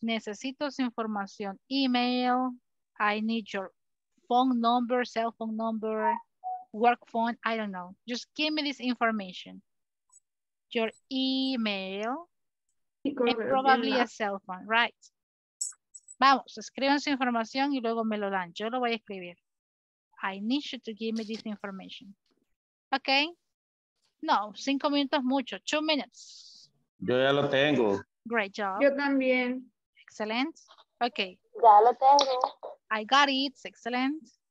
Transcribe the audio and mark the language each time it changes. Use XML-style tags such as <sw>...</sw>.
<es>Necesito su información.</es> <en>Email, I need your phone number, cell phone number, work phone, I don't know. Just give me this information. Your email and probably a cell phone, right?</en> <es>Vamos, escriban su información y luego me lo dan. Yo lo voy a escribir.</es> <en>I need you to give me this information. Okay?</en> <es>No, 5 minutos mucho.</es> <en>2 minutes.</en> <es>Yo ya lo tengo.</es> <en>Great job.</en> <es>Yo también.</es> <en>Excellent. Okay.</en> <es>Ya lo tengo.</es> <en>I got it. Excellent.</en>